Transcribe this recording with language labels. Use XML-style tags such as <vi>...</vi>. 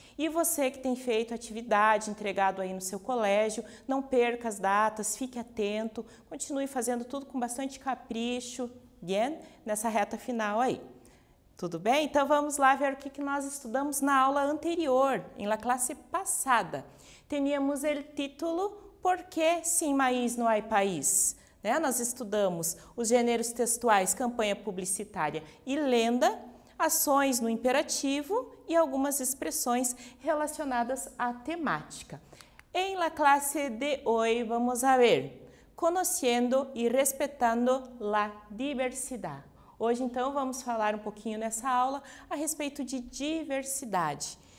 <pt>E você que tem feito atividade, entregado aí no seu colégio, não perca as datas, fique atento, continue fazendo tudo com bastante capricho,</pt> <es>bien,</es> <pt>nessa reta final aí. Tudo bem? Então vamos lá ver o que nós estudamos na aula anterior,</pt> <es>em la clase passada. Teníamos el título Por que sin maíz no hay país?</es> <pt>Né? Nós estudamos os gêneros textuais, campanha publicitária e lenda, ações no imperativo e algumas expressões relacionadas à temática.</pt> <es>En la clase de hoy vamos a ver conociendo y respetando la diversidad.</es> <pt>Hoje então vamos falar um pouquinho nessa aula a respeito de diversidade.</pt>